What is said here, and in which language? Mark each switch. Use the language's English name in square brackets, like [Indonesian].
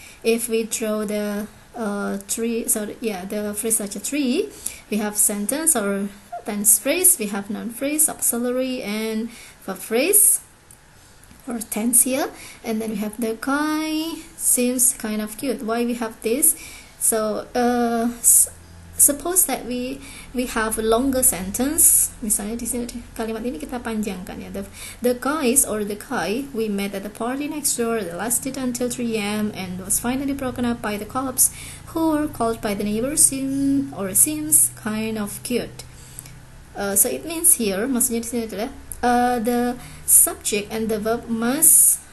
[English] If we draw the phrase such a tree, we have sentence or tense phrase, we have noun phrase, auxiliary and verb phrase or tense here, and then we have the guy seems kind of cute. Why we have this? So suppose that we have a longer sentence. [Indonesian] Misalnya di sini kalimat ini kita panjangkan ya. [English] The guys or the guy we met at the party next door lasted until 3 a.m. and was finally broken up by the cops who were called by the neighbor seems kind of cute. So it means here, [Indonesian] maksudnya di sini adalah [English] the subject and the verb must